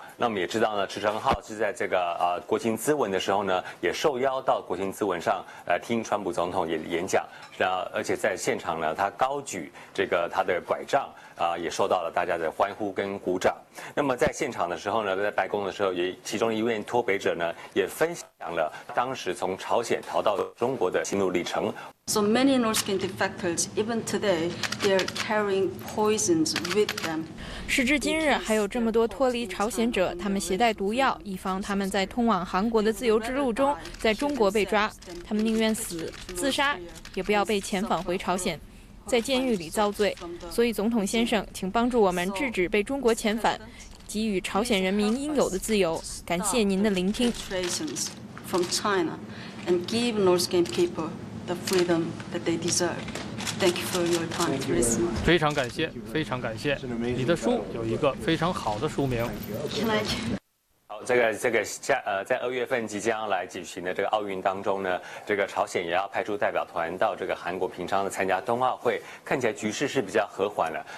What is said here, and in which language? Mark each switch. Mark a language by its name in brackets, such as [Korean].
[Chinese] 那我们也知道呢，池成浩是在这个国情咨文的时候呢，也受邀到国情咨文上来听川普总统演讲，然后而且在现场呢，他高举这个他的拐杖啊，也受到了大家的欢呼跟鼓掌。那么在现场的时候呢，在白宫的时候，也其中一位脱北者呢，也分享了当时从朝鲜逃到中国的心路历程。 [English] So many North Korean defectors, even today, they're carrying poisons with them. [Chinese] 时至今日，还有这么多脱离朝鲜者，他们携带毒药，以防他们在通往韩国的自由之路中，在中国被抓。他们宁愿死、自杀，也不要被遣返回朝鲜，在监狱里遭罪。所以，总统先生，请帮助我们制止被中国遣返，给予朝鲜人民应有的自由。感谢您的聆听。 [English] From China, and give North Korean people. The freedom that they deserve. Thank you for your time to listen. [Chinese] 非常感谢，非常感谢。你的书有一个非常好的书名。好，在2月份即将来举行的这个奥运当中呢，这个朝鲜也要派出代表团到这个韩国平昌的参加冬奥会，看起来局势是比较和缓了。